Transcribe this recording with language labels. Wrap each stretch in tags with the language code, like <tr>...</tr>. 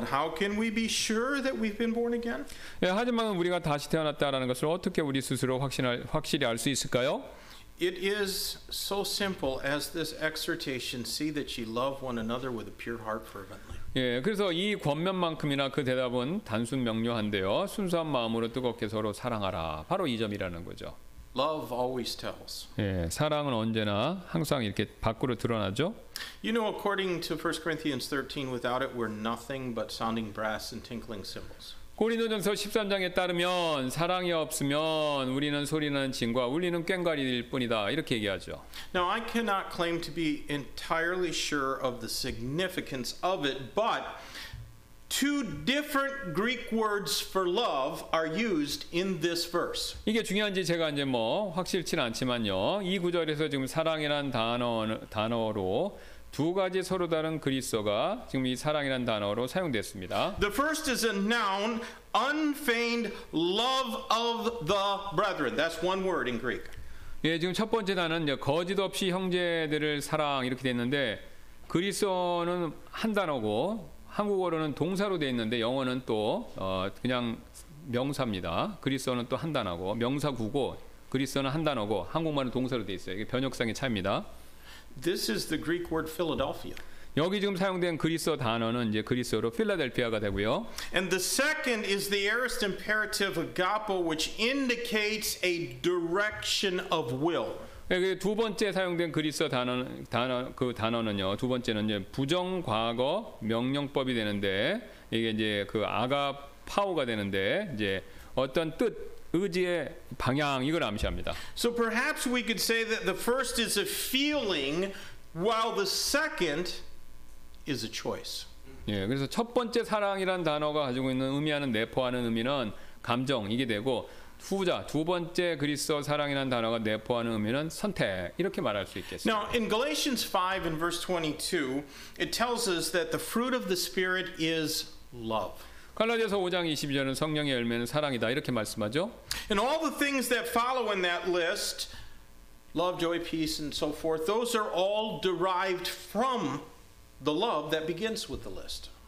<en>But how can we be sure that we've been born again?</en> <ko>네, 하지만 우리가 다시 태어났다라는 것을 어떻게 우리 스스로 확실히 알 수 있을까요?</ko> <en>It is so simple as this exhortation, see that you love one another with a pure heart fervently.</en> <ko>예, 그래서 이 권면만큼이나 그 대답은 단순 명료한데요. 순수한 마음으로 뜨겁게 서로 사랑하라. 바로 이 점이라는 거죠.</ko> <en>Love always tells.</en> <ko>예, 사랑은 언제나 항상 이렇게 밖으로 드러나죠.</ko> <en>You know, according to 1 Corinthians 13, without it we're nothing but sounding brass and tinkling cymbals.</en> <ko>고린도전서 13장에 따르면 사랑이 없으면 우리는 소리는 진과 울리는 꽹과리일 뿐이다 이렇게 얘기하죠.</ko> <en>Now I cannot claim to be entirely sure of the significance of it, but two different Greek words for love are used in this verse.</en> <ko>이게 중요한지 제가 이제 뭐 확실치는 않지만요. 이 구절에서 지금 사랑이란 단어로 두 가지 서로 다른 그리스어가 지금 이 사랑이란 단어로 사용됐습니다.</ko> <en>The first is a noun, unfeigned love of the brethren. That's one word in Greek.</en> <ko>예, 지금 첫 번째 단어는 이제 거짓 없이 형제들을 사랑 이렇게 됐는데 그리스어는 한 단어고 한국어로는 동사로 돼 있는데 영어는 또 그냥 명사입니다. 그리스어는 또 한 단어고 명사구고 그리스어는 한 단어고 한국말은 동사로 돼 있어요. 이게 변역상의 차이입니다.</ko> <en>This is the Greek word Philadelphia.</en> <ko>여기 지금 사용된 그리스어 단어는 이제 그리스어로 필라델피아가 되고요.</ko> <en>And the second is the aorist imperative agapo, which indicates a direction of will.</en> <ko>네, 두 번째 사용된 그리스어 단어는요. 두 번째는 이제 부정 과거 명령법이 되는데 이게 이제 그 아가파오가 되는데 이제 어떤 뜻 의지의 방향 이걸 암시합니다.</ko> <en>So perhaps we could say that the first is a feeling while the second is a choice.</en> <ko>예, 그래서 첫 번째 사랑이란 단어가 가지고 있는 의미하는 내포하는 의미는 감정 이게 되고 후자 두 번째 그리스어 사랑이란 단어가 내포하는 의미는 선택 이렇게 말할 수 있겠습니다.</ko> <en>Now in Galatians 5 and verse 22 it tells us that the fruit of the spirit is love.</en> <ko>갈라디아서 5장 22절은 성령의 열매는 사랑이다 이렇게 말씀하죠.</ko> <en>And all the things that follow in that list, love, joy, peace, and so forth, those are all derived from the love that begins with the list.</en>